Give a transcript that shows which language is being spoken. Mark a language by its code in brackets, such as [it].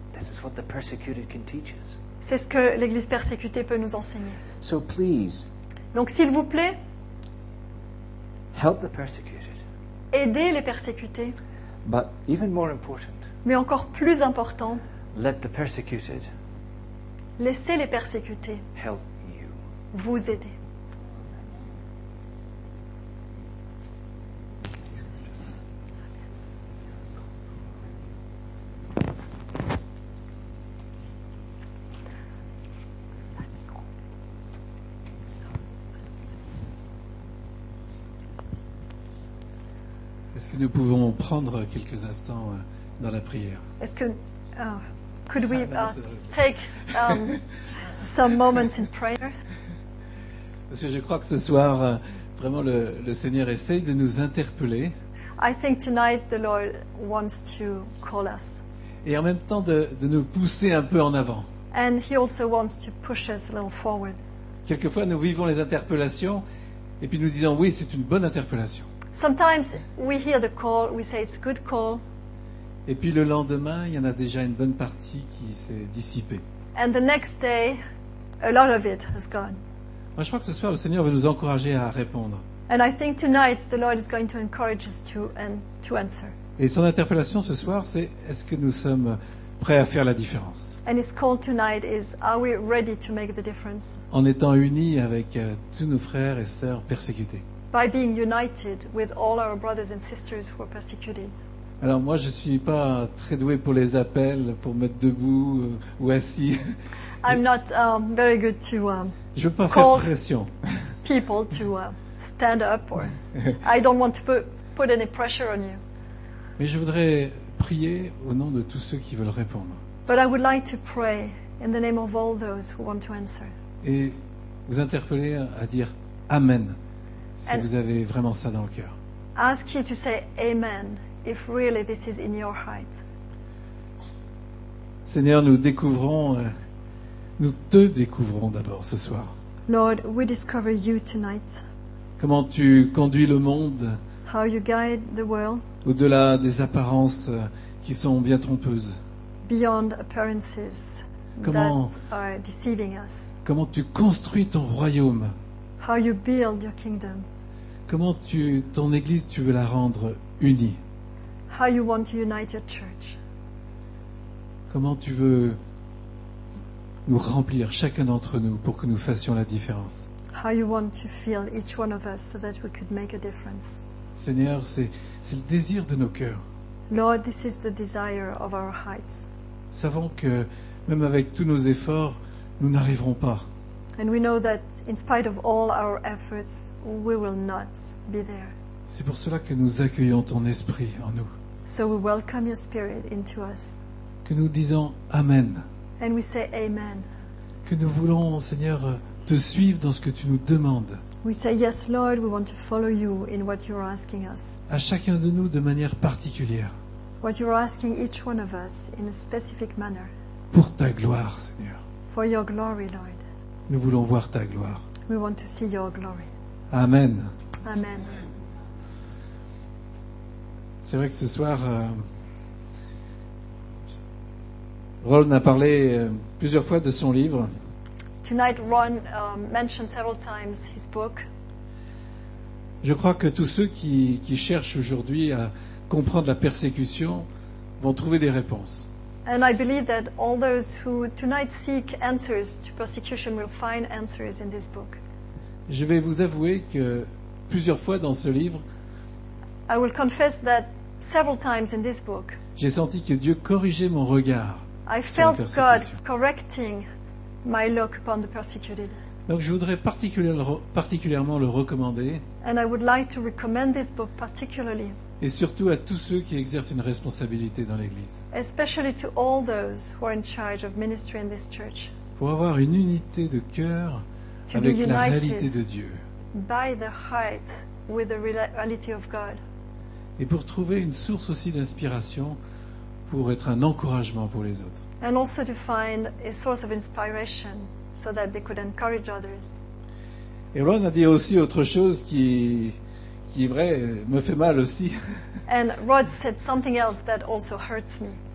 [en] This is what the persecuted can teach us. [fr] C'est ce que l'Église persécutée peut nous enseigner. [en] So please, [fr] donc s'il vous plaît, [en] help the persecuted. [fr] Aidez les persécutés. [en] But even more important, [fr] mais encore plus important, [en] let the persecuted, [fr] laissez les persécutés [en] help you. [fr] Vous aider. Est-ce que nous pouvons prendre quelques instants dans la prière? Est-ce que [en] could we take some moments in prayer? [fr] Parce que je crois que ce soir vraiment le Seigneur essaie de nous interpeller. [en] I think tonight the Lord wants to call us. [fr] Et en même temps de nous pousser un peu en avant. [en] And he also wants to push us a little forward. [fr] Quelquefois nous vivons les interpellations et puis nous disons oui, c'est une bonne interpellation. [en] Sometimes we hear the call, we say it's a good call. [fr] Et puis le lendemain, il y en a déjà une bonne partie qui s'est dissipée. [en] And the next day, a lot of it has gone. [fr] Moi, je crois que ce soir, le Seigneur veut nous encourager à répondre. [en] And I think tonight the Lord is going to encourage us to answer. [fr] Et son interpellation ce soir, c'est est-ce que nous sommes prêts à faire la différence? [en] And his call tonight is are we ready to make the difference? [fr] En étant unis avec tous nos frères et sœurs persécutés. [en] By being united with all our brothers and sisters who are persecuted. [fr] Alors moi je suis pas très doué pour les appels pour mettre debout ou assis. [en] I'm not very good to [fr] je veux pas faire pression. [en] People to stand up or I don't want to put any pressure on you. [fr] Mais je voudrais prier au nom de tous ceux qui veulent répondre. But I would like to pray in the name of all those who want to answer. Et vous interpeller à dire amen si vous avez vraiment ça dans le cœur. [en] Ask you to say amen if really this is in your heart. [fr] Seigneur, nous découvrons, nous te découvrons d'abord ce soir. [en] Lord, we discover you tonight. [fr] Comment tu conduis le monde? [en] How you guide the world? [fr] Au-delà des apparences qui sont bien trompeuses. [en] Beyond appearances. [fr] Comment, [en] that are deceiving us. [fr] Comment tu construis ton royaume? [en] How you build your kingdom? [fr] Comment tu, ton église, tu veux la rendre unie? [en] How you want to unite your church? [fr] Comment tu veux nous remplir chacun d'entre nous pour que nous fassions la différence? [en] How you want to fill each one of us so that we could make a difference? [fr] Seigneur, c'est le désir de nos cœurs. [en] Lord, this is the desire of our hearts. [fr] Savons que même avec tous nos efforts, nous n'arriverons pas. [en] And we know that in spite of all our efforts, we will not be there. [fr] C'est pour cela que nous accueillons ton esprit en nous. [en] So we welcome your spirit into us. [fr] Que nous disons amen. [en] And we say amen. [fr] Que nous voulons, Seigneur, te suivre dans ce que tu nous demandes. [en] We say yes, Lord, we want to follow you in what you're asking us. [fr] À chacun de nous de manière particulière. [en] What you're asking each one of us in a specific manner. [fr] Pour ta gloire, Seigneur. [en] For your glory, Lord. [fr] Nous voulons voir ta gloire. [en] We want to see your glory. Amen. Amen. [fr] C'est vrai que ce soir, Ron a parlé plusieurs fois de son livre. [en] Tonight, Ron mentioned several times his book. [fr] Je crois que tous ceux qui cherchent aujourd'hui à comprendre la persécution vont trouver des réponses. [en] And I believe that all those who tonight seek answers to persecution will find answers in this book. [fr] Je vais vous avouer que plusieurs fois dans ce livre, [en] I will confess that several times in this book, [fr] j'ai senti que Dieu corrigeait mon regard [en] I [fr] sur [en] felt [fr] la persécution. [en] God correcting my look upon the persecuted. [fr] Donc je voudrais particulièrement le recommander. [en] And I would like to recommend this book particularly. [fr] Et surtout à tous ceux qui exercent une responsabilité dans l'Église. [en] Especially to all those who are in charge of ministry in this church. [fr] Pour avoir une unité de cœur avec la réalité de Dieu. [en] By the heart with the reality of God. [fr] Et pour trouver une source aussi d'inspiration pour être un encouragement pour les autres. [en] And also to find a source of inspiration so that they could encourage others. [fr] Et Ron a dit aussi autre chose qui est vrai, me fait mal aussi. [en] And Rod said something else that also hurts me.